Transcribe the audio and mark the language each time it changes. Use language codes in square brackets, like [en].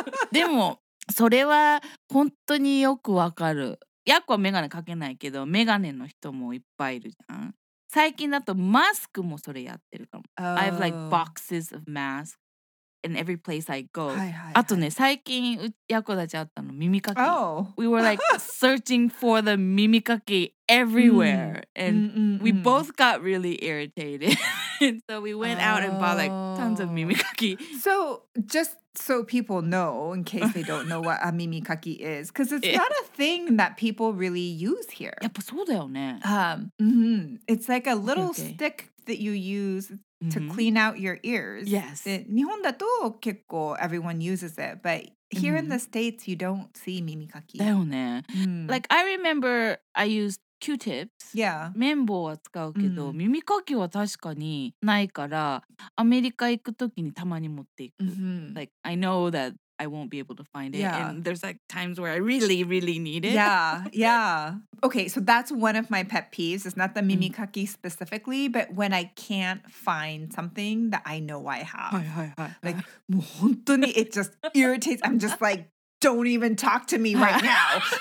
[ja] でも、それは本当によくわかる。ヤッコはメガネかけないけど、メガネの人もいっぱいいるじゃん。最近だとマスクもそれやってるかも。 [en] Oh. I have like boxes of masks in every place I go. [ja] はいはい、はい、あとね、最近ヤッコたちあったの耳かき。 [en] Oh. We were like searching for the 耳かき everywhere. And we both got really irritated. So we went out and bought like tons of 耳かき. So just... So people know, in case they don't know what a mimikaki is. Because it's not a thing that people really use here. [ja] やっぱそうだよね。 [en] It's like a little stick that you use to clean out your ears. Yes. [ja] 日本だと結構 [en] everyone uses it. But here in the States, you don't see mimikaki. [ja] だよね。 [en] Like, I remember I used Q-tips. Yeah. [ja] 綿棒は使うけど、mimikaki は確かにないから、アメリカ行くときにたまに持っていく。 [en] Like, I know that I won't be able to find it. Yeah. And there's like times where I really, really need it. Yeah, yeah. Okay, so that's one of my pet peeves. It's not the mimikaki specifically, but when I can't find something that I know I have. Like, [ja] もう本当に [en] it just irritates. I'm just like, don't even talk to me right now.